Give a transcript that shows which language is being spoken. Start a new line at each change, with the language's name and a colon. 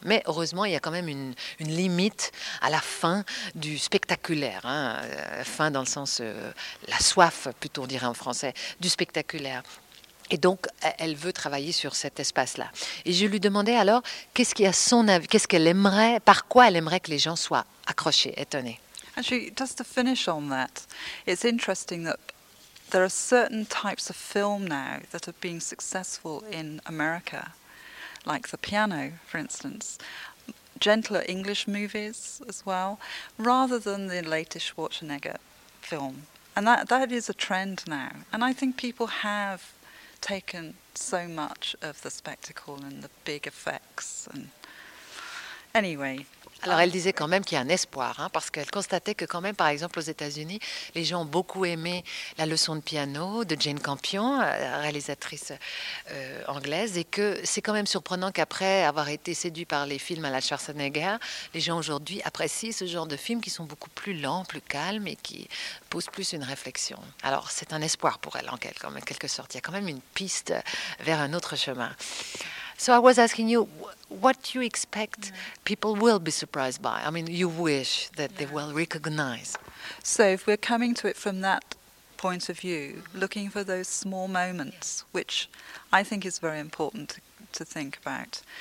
French: Mais heureusement, il y a quand même une limite à la fin du spectaculaire. Hein, fin dans le sens, la soif, plutôt on dirait en français, du spectaculaire. Et donc, elle veut travailler sur cet espace-là. Et je lui demandais alors, qu'est-ce qu'il y a son avis, qu'est-ce qu'elle aimerait, par quoi elle aimerait que les gens soient accrochés, étonnés.
English: Actually, just to finish on that, it's interesting that there are certain types of film now that are being successful in America, like The Piano, for instance. Gentler English movies as well, rather than the latest Schwarzenegger film. And that is a trend now. And I think people have taken so much of the spectacle and the big effects. And anyway,
French: Alors, elle disait quand même qu'il y a un espoir, hein, parce qu'elle constatait que quand même, par exemple, aux États-Unis, les gens ont beaucoup aimé la leçon de piano de Jane Campion, réalisatrice anglaise, et que c'est quand même surprenant qu'après avoir été séduit par les films à la Schwarzenegger, les gens aujourd'hui apprécient ce genre de films qui sont beaucoup plus lents, plus calmes et qui poussent plus une réflexion. Alors, c'est un espoir pour elle, en quelque sorte. Il y a quand même une piste vers un autre chemin.
English: So I was asking you, what do you expect people will be surprised by? I mean, you wish that they will recognize. So if we're coming to it from that point of view, looking for those small moments, which I think is very important to think about.